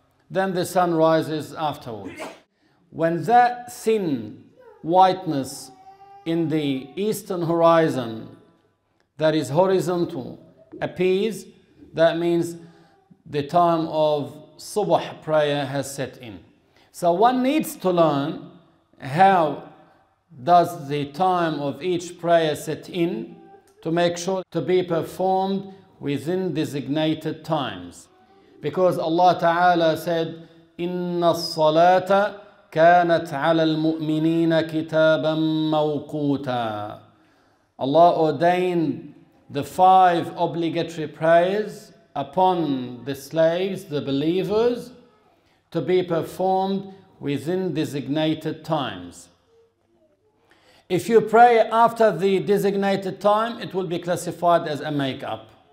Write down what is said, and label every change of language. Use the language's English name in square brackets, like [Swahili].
[English] Then the sun rises afterwards. When that thin whiteness in the eastern horizon that is horizontal appears, that means the time of Subh prayer has set in. So one needs to learn how does the time of each prayer set in to make sure to be performed within designated times. Because Allah Ta'ala said, [Arabic] إِنَّ الصَّلَاةَ كَانَتْ عَلَى الْمُؤْمِنِينَ كِتَابًا مَوْقُوتًا. [English] Allah ordained the five obligatory prayers upon the slaves, the believers, to be performed within designated times. If you pray after the designated time, it will be classified as a makeup.